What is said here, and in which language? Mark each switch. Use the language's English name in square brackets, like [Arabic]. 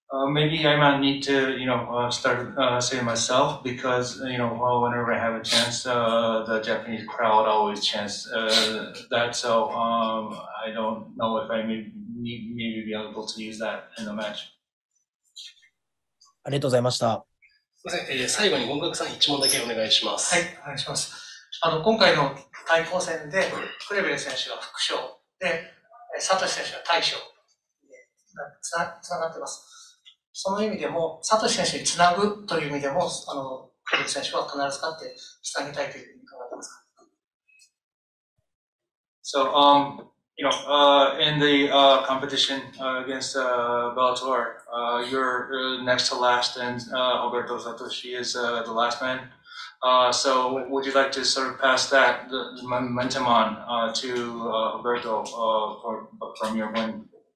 [English] Maybe I might need to, you know, start saying myself because, you know, well, whenever I have a chance, the Japanese crowd always chants that. So I don't know if I maybe be able to use that in the match. [Japanese] ありがとうございました。最後に権田さん一問だけお願いします。はい、お願いします。今回の対抗戦でクレベル選手が副将で、サトシ選手が大将でつながってます。その意味でも、サトシ選手につなぐという意味でも、クレベル選手は必ず勝ってつなげたいというふうに考えてますか？ [English] So, you know, in the competition against Bellator, you're next to last and Alberto Satoshi is the last man. So, would you like to sort of pass that the momentum on to Alberto from your win?